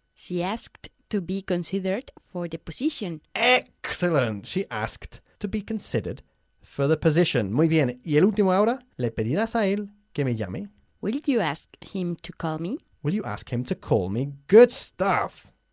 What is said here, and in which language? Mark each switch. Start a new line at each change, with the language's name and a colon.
English: She asked to be considered for the position. Excellent. She asked to be considered for the position.
Spanish: Muy bien. Y el último ahora, ¿le pedirás a él que me llame?
English: Will you ask him to call me? Will you ask him to call me? Good stuff.